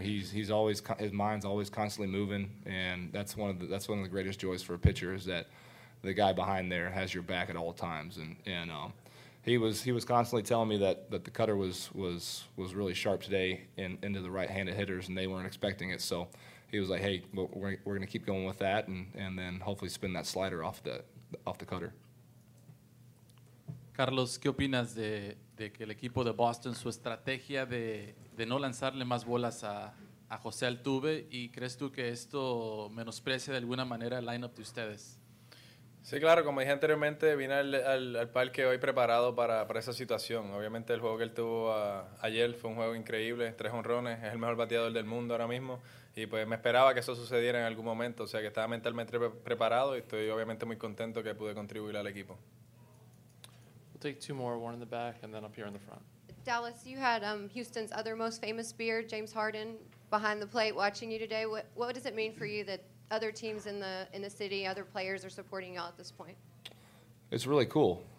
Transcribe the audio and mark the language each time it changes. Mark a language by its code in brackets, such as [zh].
[en] He's always, his mind's always constantly moving, and that's one of the greatest joys for a pitcher is that the guy behind there has your back at all times. And he was constantly telling me that the cutter was really sharp today into the right-handed hitters, and they weren't expecting it. So he was like, hey, we're gonna keep going with that, and then hopefully spin that slider off the cutter. [es] Carlos, ¿qué opinas de que el equipo de Boston, su estrategia de no lanzarle más bolas a José Altuve, y crees tú que esto menosprecia de alguna manera el lineup de ustedes? Sí, claro, como dije anteriormente, vine al parque hoy preparado para esa situación. Obviamente el juego que él tuvo ayer fue un juego increíble, 3 jonrones, es el mejor bateador del mundo ahora mismo, y pues me esperaba que eso sucediera en algún momento, o sea que estaba mentalmente preparado y estoy obviamente muy contento que pude contribuir al equipo. [en] Take 2 more, one in the back, and then up here in the front. Dallas, you had Houston's other most famous beard, James Harden, behind the plate watching you today. What does it mean for you that other teams in the city, other players are supporting y'all at this point? It's really cool.